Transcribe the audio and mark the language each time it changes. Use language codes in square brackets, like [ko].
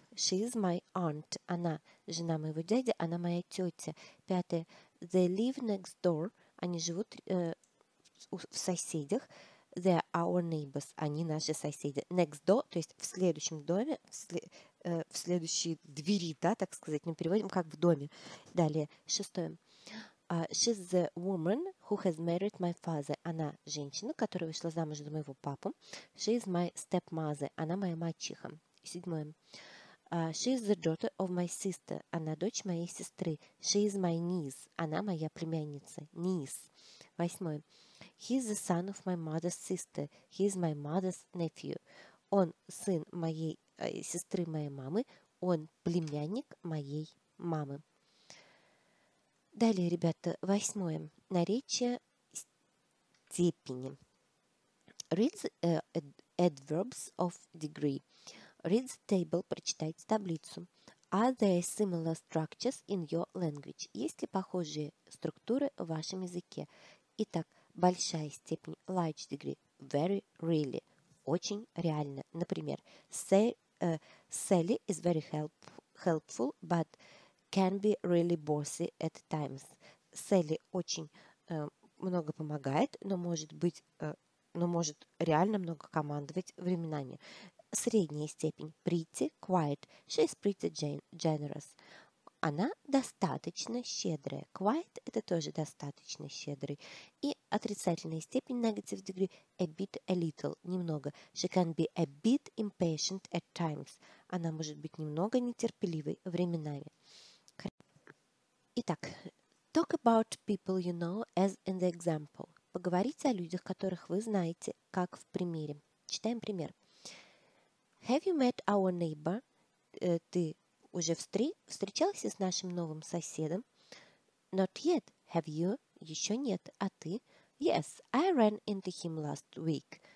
[en] She is my aunt. [ru] Она жена моего дяди. Она моя тетя. Пятое. [en] They live next door. [ru] Они живут в соседях. [en] They are our neighbors. [ru] Они наши соседи. [en] Next door, [ru] то есть в следующем доме. В следующей двери, да, так сказать, мы переводим как в доме. Далее, шестое. [en] She's the woman who has married my father. [ru] Она женщина, которая вышла замуж за моего папу. [en] She's my stepmother. [ru] Она моя мачеха. Седьмое. [en] She's the daughter of my sister. [ru] Она дочь моей сестры. [en] She's my niece. [ru] Она моя племянница. Niece. Восьмое. [en] He's the son of my mother's sister. He's my mother's nephew. [ru] Он сын моей сестры моей мамы, он племянник моей мамы. Далее, ребята, восьмое. Наречие степени. [en] Read adverbs of degree. Read the table, [ru] прочитайте таблицу. [en] Are there similar structures in your language? [ru] Есть ли похожие структуры в вашем языке? Итак, большая степень, [en] large degree, [ru] very, really, очень реально. [en] Например, say Sally is very helpful, but can be really bossy at times. [ru] Sally очень много помогает, но может быть, но может реально много командовать временами. Средняя степень. [en] Pretty, quiet. She is pretty generous. [ru] Она достаточно щедрая. Quiet – это тоже достаточно щедрый. И отрицательная степень, [en] negative degree, [ru] a bit, a little, немного. [en] She can be a bit impatient at times. [ru] Она может быть немного нетерпеливой временами. Итак, [en] talk about people you know as in the example. [ru] Поговорите о людях, которых вы знаете, как в примере. Читаем пример. [en] Have you met our neighbor? [ru] Ты уже встречался с нашим новым соседом? [en] Not yet. Have you? [ru] Еще нет. А ты? [en] Yes, I ran into him last week.